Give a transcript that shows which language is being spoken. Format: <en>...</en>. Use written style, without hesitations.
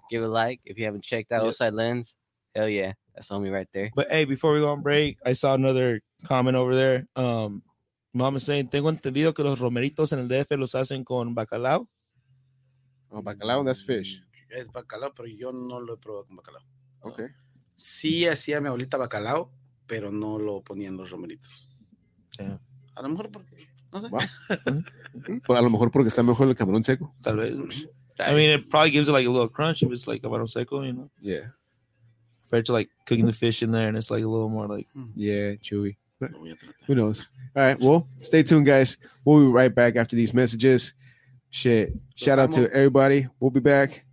<en>Give a like if you haven't checked out Oside Lens. Hell yeah, that's the homie right there. But hey, before we go on break, I saw another comment over there. Mom is saying,</en> <es>tengo entendido que los romeritos en el DF los hacen con bacalao.</es> <en>Oh, bacalao, that's fish.</en> <es>Es bacalao, pero yo no lo he probado con bacalao.</es> <en>Okay.</en> <es>Sí, hacía mi abuelita bacalao, pero no lo ponía en los romeritos.</es> <en>Yeah.</en> <es>A lo mejor porque, no sé. Wow. Pero a lo mejor porque está mejor el camarón seco. Tal vez.</es> <en>I mean, it probably gives it like a little crunch if it's like camarón seco, you know? Yeah. Compared to like cooking the fish in there and it's like a little more like... Yeah, chewy. But who knows? All right, well, stay tuned, guys. We'll be right back after these messages. Shit. Shout out to everybody. We'll be back.</en>